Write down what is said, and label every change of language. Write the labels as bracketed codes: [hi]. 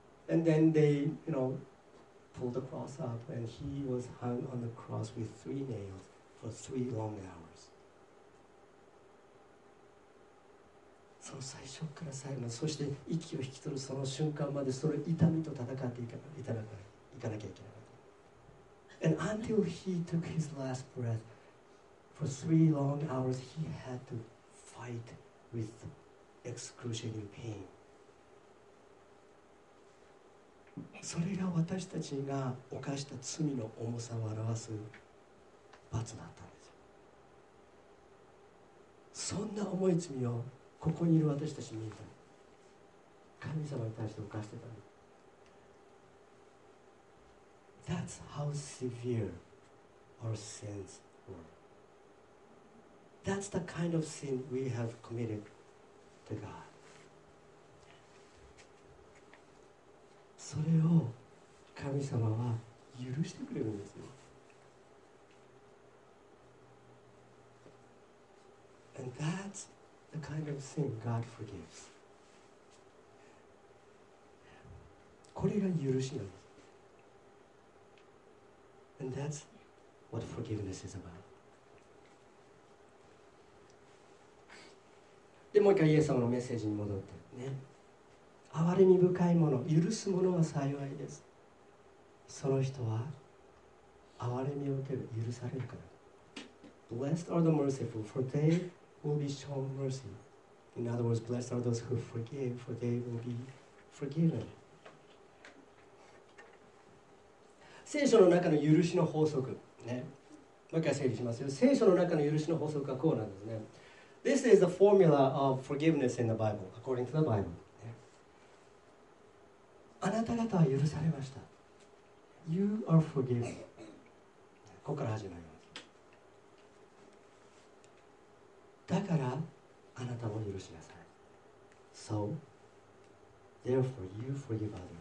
[en] And then they, you know, pulled the cross up, and he was hung on the cross with three nails for three long hours. [ja] その最初から最後、そして息を引き取るその瞬間まで、それ痛みと戦っていかなきゃいけない、いかなきゃいけなかった。 [en] And until he took his last breath for three long hours, he had to fight with the excruciating pain. [ja] それが私たちが犯した罪の重さを表す罰だったんですよ。そんな重い罪をここにいる私たちに見えたの。神様に対して犯してたの。 [en] That's how severe our sins were. That's the kind of sin we have committed to God. [ja] それを神様は許してくれるんですよ。 [en] And that's the kind of sin God forgives. [ja] これが許しなんです。 [en] And that's what forgiveness is about. [ja] で、もう一回イエス様のメッセージに戻ってね。憐れみ深いもの、許すものは幸いです。その人は憐れみを受ける、許されるから。 [en] Blessed are the merciful, for they will be shown mercy. In other words, blessed are those who forgive, for they will be forgiven. [ja] 聖書の中の許しの法則、ね、もう一回整理しますよ。聖書の中の許しの法則はこうなんですね。 [en] This is the formula of forgiveness in the Bible, according to the Bible. [ja] あなた方は許されました。 [en] You are forgiven. [ja] ここから始まります。だからあなたも許しなさい。 [en] So, therefore you forgive others.